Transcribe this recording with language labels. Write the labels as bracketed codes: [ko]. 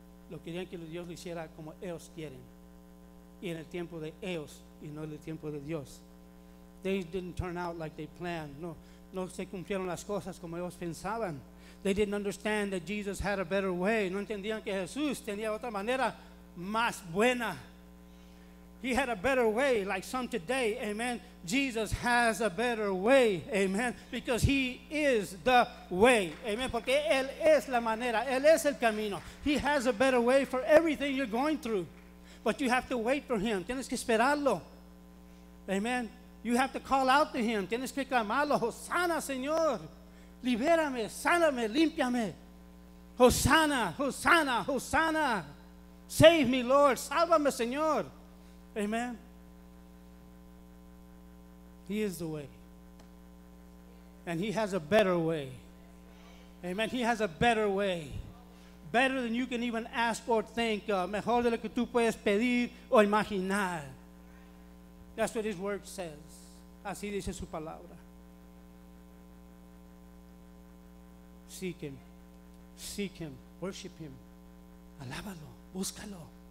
[es] Lo querían que Dios lo hiciera como ellos quieren. Y en el tiempo de ellos y no en el tiempo de Dios. [en] Things didn't turn out like they planned. [es] No, no se cumplieron las cosas como ellos pensaban. [en] They didn't understand that Jesus had a better way. [es] No entendían que Jesús tenía otra manera más buena. [en] He had a better way, like some today, amen. Jesus has a better way, amen. Because he is the way, [es] amen. Porque él es la manera, él es el camino. [en] He has a better way for everything you're going through. But you have to wait for him. [es] Tienes que esperarlo. [en] Amen. You have to call out to him. [es] Tienes que clamarlo. [en] Hosanna, Señor. [es] Libérame, sáname, límpiame. Hosanna, Hosanna, Hosanna. [en] Save me, Lord. [es] Sálvame, Señor. Amen. [en] He is the way. And he has a better way. Amen. He has a better way. Better than you can even ask or think of. [es] Mejor de lo que tú puedes pedir o imaginar. [en] That's what his word says. [es] Así dice su palabra. [en] Seek him. Seek him. Worship him. [es] Alábalo. Búscalo.